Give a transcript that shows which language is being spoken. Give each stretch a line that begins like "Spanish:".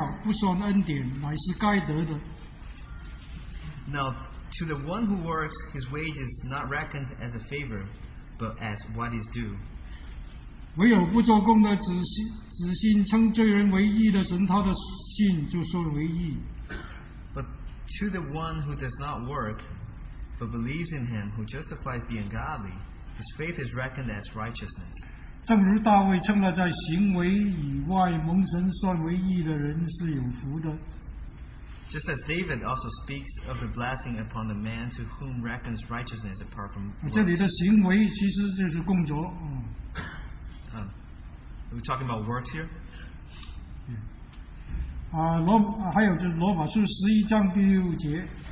Chinese: 做工的得工价，不算恩典，乃是该得的。
English: Now, to the one who works, his wage is not reckoned as a favor, but as what is due.
Chinese: 唯有不做工的，只信称罪人为义的神，他的信就算为义。
English: But to the one who does not work, but believes in him who justifies the ungodly, his faith is reckoned as righteousness.
Chinese: 正如大卫称了在行为以外蒙神算为义的人是有福的。
English: Just as David also speaks of the blessing upon the man to whom reckons righteousness apart from works.
Chinese: 这里的行为其实就是工作。
English: Are we talking about works here?
Chinese: 还有就是罗马书11章第6节。